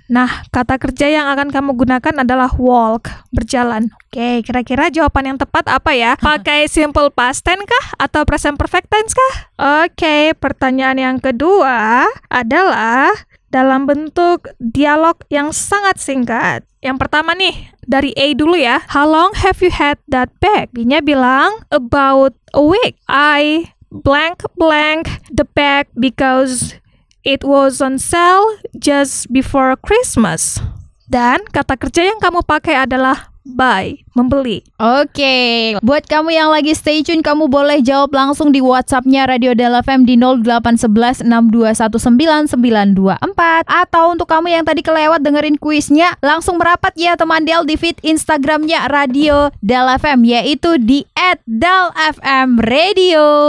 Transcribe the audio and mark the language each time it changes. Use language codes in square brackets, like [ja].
[id] Nah, kata kerja yang akan kamu gunakan adalah walk, berjalan. Oke, kira-kira jawaban yang tepat apa ya? Pakai simple past tense kah atau present perfect tense kah? Oke, pertanyaan yang kedua adalah dalam bentuk dialog yang sangat singkat. Yang pertama nih, dari A dulu ya. [en] How long have you had that bag? B-nya bilang, about a week. I blank blank the bag because it was on sale just before Christmas. [id] Dan kata kerja yang kamu pakai adalah buy, membeli. Oke, buat kamu yang lagi stay tune, kamu boleh jawab langsung di WhatsApp-nya Radio Del FM di 0811 6219924. Atau untuk kamu yang tadi kelewat dengerin kuisnya, langsung merapat ya teman Del di feed Instagram-nya Radio Del FM, yaitu di @delfmradio.